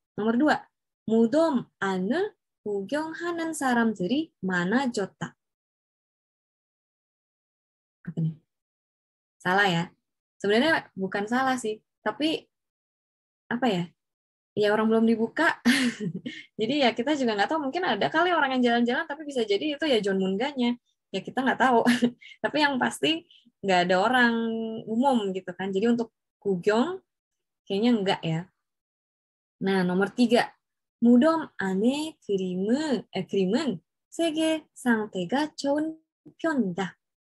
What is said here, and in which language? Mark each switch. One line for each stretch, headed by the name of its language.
Indonesian: Nomor dua,
Korean: 무덤 안을 구경하는 사람들이 많아졌다.
Indonesian: 아, 네. Salah ya. Sebenarnya bukan salah sih, tapi apa ya? Ya orang belum dibuka. Jadi ya kita juga nggak tahu, mungkin ada kali orang yang jalan-jalan, tapi bisa jadi itu ya John Munganya. Ya kita nggak tahu. Tapi yang pasti nggak ada orang umum gitu kan. Jadi untuk Gugyong kayaknya enggak ya. Nah, nomor tiga.
Korean: 무덤 안에 그림은 세계 상태가 좋은 편이다.